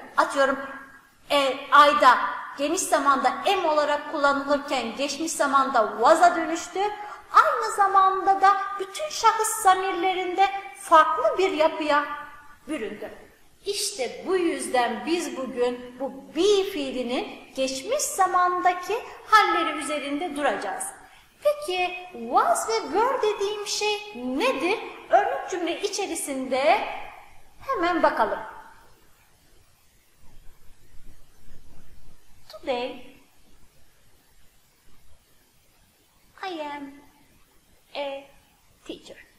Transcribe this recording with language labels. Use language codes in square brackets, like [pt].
[tr] Atıyorum ayda geniş zamanda am olarak kullanılırken geçmiş zamanda was'a dönüştü. Aynı zamanda da bütün şahıs zamirlerinde farklı bir yapıya büründü. İşte bu yüzden biz bugün bu be fiilinin geçmiş zamandaki halleri üzerinde duracağız. Peki was ve were dediğim şey nedir? Örnek cümle içerisinde hemen bakalım. [en] Today I am a teacher.